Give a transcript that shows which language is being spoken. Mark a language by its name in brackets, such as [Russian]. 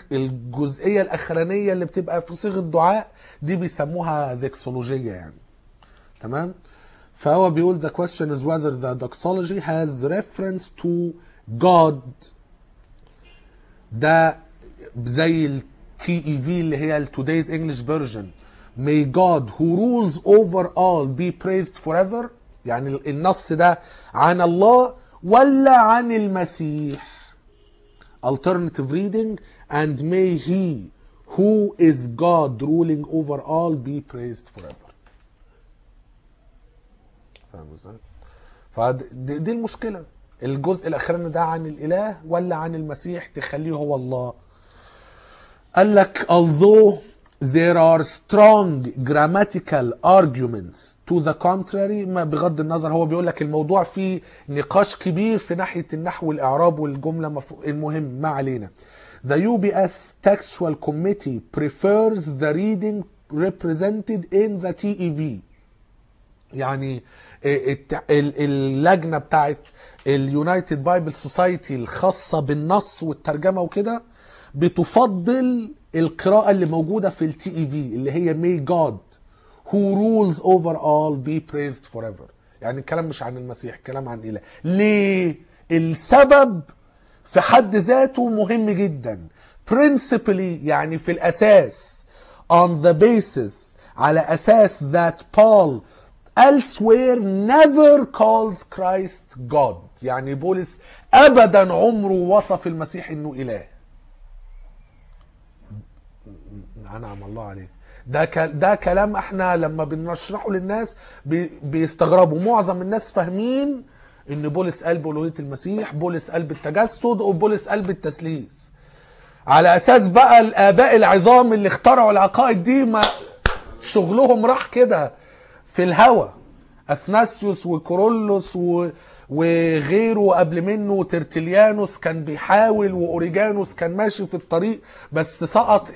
[Arabic] الجزئية الأخرانية اللي بتبقى في صيغة دعاء دي بيسموها ذكسولوجية يعني، تمام؟ فهو بيقول [English] the question is whether the doxology has reference to God. [Arabic] ده زي ال TEV اللي هي ال Today's English Version. [English] May God who rules over all be praised forever. [Arabic] يعني النص ده عن الله ولا عن المسيح. [English] Alternative reading and may he who is God ruling over all be praised forever. [Arabic] فاهم ازاي؟ فدي المشكلة، الجزء الأخراني ده عن الإله ولا عن المسيح تخليه هو الله. قال لك [English] although there are strong grammatical arguments to the contrary، [Arabic] ما بغض النظر هو بيقول لك الموضوع فيه نقاش كبير في ناحية النحو والإعراب والجملة، المهم ما علينا. [English] The UBS textual committee prefers the reading represented in the TEV. [Arabic] يعني اللجنة بتاعت اليونايتد بايبل سوسايتي الخاصة بالنص والترجمة وكده بتفضل القراءة اللي موجودة في التي اي في، اللي هي [English] may God who rules over all be praised forever. [Arabic] يعني الكلام مش عن المسيح، كلام عن إله. ليه؟ السبب في حد ذاته مهم جدا. [English] principally [Arabic] يعني في الأساس، [English] on the basis، [Arabic] على أساس، [English] that Paul elsewhere never calls Christ God. [Arabic] يعني بولس ابدا عمره وصف المسيح انه اله. نعم الله عليه. ده كلام احنا لما بنشرحه للناس بيستغربوا، معظم الناس فاهمين ان بولس قال بألوهية المسيح، بولس قال بالتجسد، وبولس قال بالتثليث، على اساس بقى الاباء العظام اللي اخترعوا العقائد دي ما شغلهم راح كده في الهوى، أثناسيوس وكورولوس وغيره قبل منه، وترتليانوس كان بيحاول، وأوريجانوس كان ماشي في الطريق بس سقط.